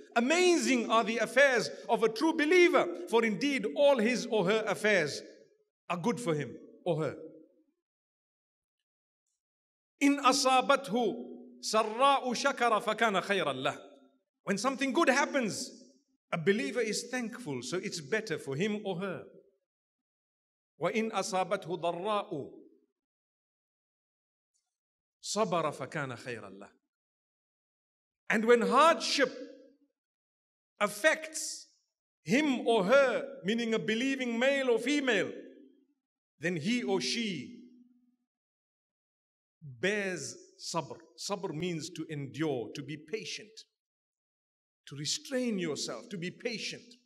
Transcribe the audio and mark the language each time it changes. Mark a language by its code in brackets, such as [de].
[en] Amazing are the affairs of a true believer, for indeed all his or her affairs are good for him or her. [ar] In asabathu sarra'u shakara fa kana khayran lah. [en] When something good happens, a believer is thankful, so it's better for him or her. [ar] وَإِنْ أَصَابَتْهُ ضَرَّاءُ صَبَرَ فَكَانَ خَيْرًا لَّهُ. [en] And when hardship affects him or her, meaning a believing male or female, then he or she bears sabr. Sabr means to endure, to be patient, to restrain yourself, to be patient.